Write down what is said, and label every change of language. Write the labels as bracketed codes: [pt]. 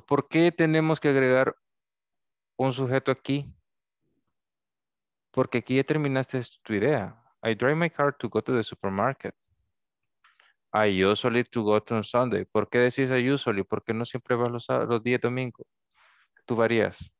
[es] ¿Por qué tenemos que agregar un sujeto aquí? Porque aquí ya terminaste tu idea. [en] I drive my car to go to the supermarket. I usually to go to on Sunday. ¿Por qué decís I usually? [es] ¿Por qué no siempre vas los días domingos? ¿Tú varías?